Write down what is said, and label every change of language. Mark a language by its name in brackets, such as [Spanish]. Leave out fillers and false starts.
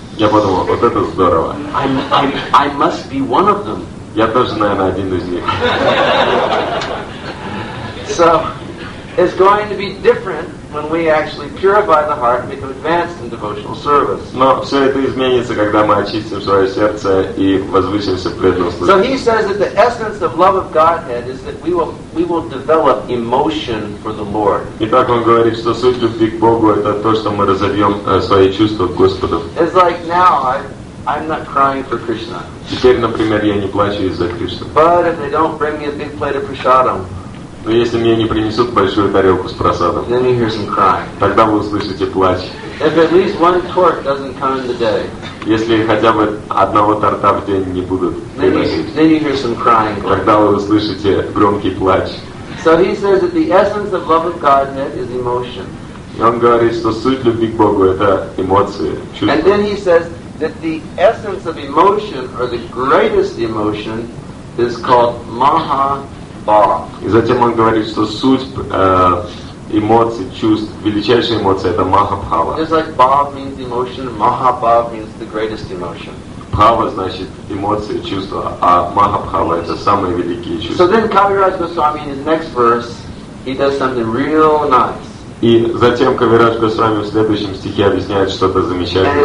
[Russian] Я подумал, вот это здорово. [English] I must be one of them. [Russian] Я тоже, наверное, один из них. [English] So, it's going to be different when we actually purify the heart and become advanced in devotional service. [Russian] Но все это изменится, когда мы очистим свое сердце и возвысимся в преданном служении. [English] So he says that the essence of love of Godhead is that we will develop emotion for the Lord. [Russian] Итак, он говорит, что суть любви к Богу это то, что мы разовьем свои чувства к Господу. [English] It's like now I'm not crying for Krishna. [Russian] Теперь, например, я не плачу из-за Кришны. [English] But if they don't bring me a big plate of prasadam. [Russian] Но если мне не принесут большую тарелку с просадом, [English] then you hear some crying. [Russian] Тогда вы услышите плач. [English] If at least one tort doesn't come in the day, [Russian] если хотя бы одного торта в день не будут приносить, [English] then you hear some crying. [Russian] Тогда вы услышите громкий плач. [English] So he says that the essence of love of Godhead is emotion. [Russian] И он говорит, что суть любви к Богу это эмоции, чувства. [English] And then he says that the essence of emotion, or the greatest emotion, is called maha. [Russian] И затем он говорит, что суть эмоций, чувств, величайшая эмоция это Махабхава. [English] It's like Bhav means emotion, Mahabhav means the greatest emotion. [Russian] Bhava значит эмоции, чувства, а Махабхава это самые великие чувства. [English] So then Kaviraj Goswami in his next verse, he does something real nice. [Russian] И затем Кавирадж Госвами в следующем стихе объясняет что-то замечательное.